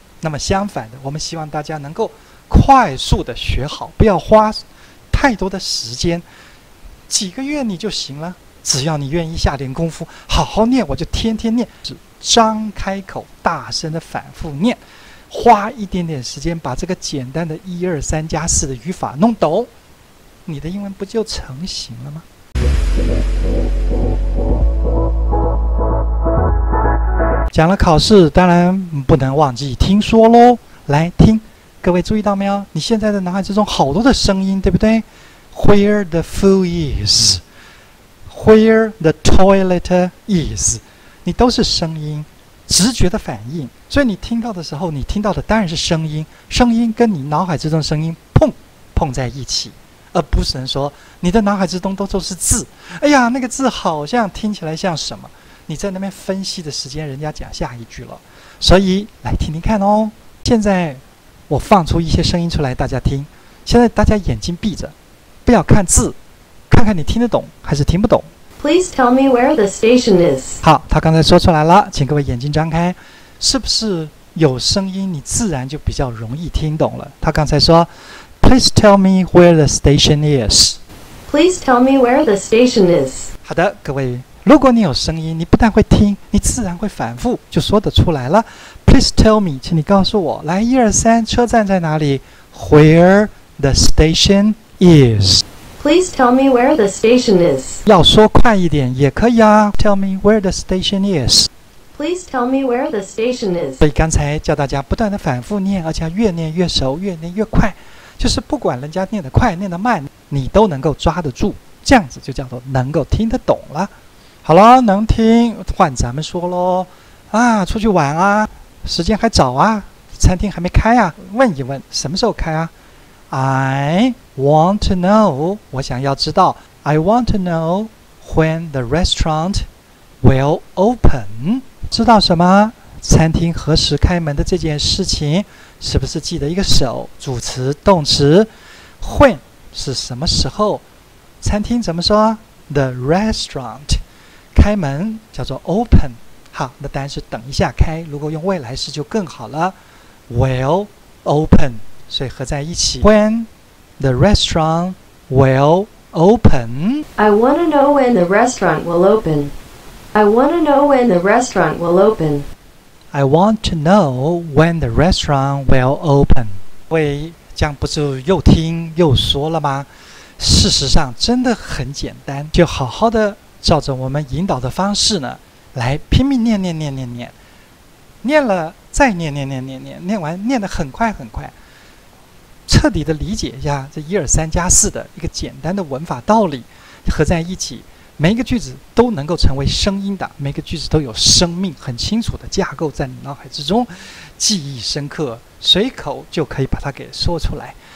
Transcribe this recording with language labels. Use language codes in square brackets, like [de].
[zh] 那么相反的，我们希望大家能够快速的学好，不要花太多的时间，几个月你就行了，只要你愿意下点功夫好好念，我就天天念，只张开口大声的反复念，花一点点时间把这个简单的一二三加四的语法弄懂，你的英文不就成型了吗？讲了考试，当然不能忘记听说咯。来听，各位注意到没有？你现在的脑海之中好多的声音，对不对？ [en] Where the fool is, where the toilet is, 你都是声音，直觉的反应。 [zh] 所以你听到的时候，你听到的当然是声音，声音跟你脑海之中声音碰在一起，而不是能说你的脑海之中都是字。哎呀，那个字好像听起来像什么？你在那边分析的时间，人家讲下一句了。所以来听听看哦。现在我放出一些声音出来，大家听。现在大家眼睛闭着，不要看字，看看你听得懂还是听不懂。 [en] Please tell me where the station is. [zh] 好，他刚才说出来了，请各位眼睛张开，是不是有声音，你自然就比较容易听懂了？ [en] 他刚才说，Please tell me where the station is. Please tell me where the station is. [zh] 好的，各位。如果你有声音，你不但会听，你自然会反复，就说得出来了。 Please tell me, 请你告诉我，来，一二三，车站在哪里？ [en] Where the station is. Please tell me where the station is. [zh] 要说快一点也可以啊。 [en] Tell me where the station is. Please tell me where the station is. [zh] 所以刚才叫大家不断的反复念，而且越念越熟，越念越快，就是不管人家念得快，念得慢，你都能够抓得住，这样子就叫做能够听得懂了。好了，能听，换咱们说咯。啊，出去玩啊，时间还早啊，餐厅还没开啊，问一问什么时候开啊。 [en] I want to know, 我想要知道。 I want to know when the restaurant will open. [zh] 知道什么？餐厅何时开门的这件事情，是不是记得一个手，主词动词， when 是什么时候，餐厅怎么说？ The restaurant 开门叫做 open。好，那答案是等一下开，如果用未来式就更好了， will open，所以合在一起， when the restaurant will open. [en] I want to know when the restaurant will open. I want to know when the restaurant will open. I want to know when the restaurant will open. [zh] 喂，这样不是又听又说了吗？事实上真的很简单，就好好的照着我们引导的方式呢，来拼命念念念念念，念了再念念念念念，念完念得很快很快，彻底的理解一下这一二三加四的一个简单的文法道理，合在一起，每一个句子都能够成为声音的，每个句子都有生命，很清楚的架构在你脑海之中，记忆深刻，随口就可以把它给说出来。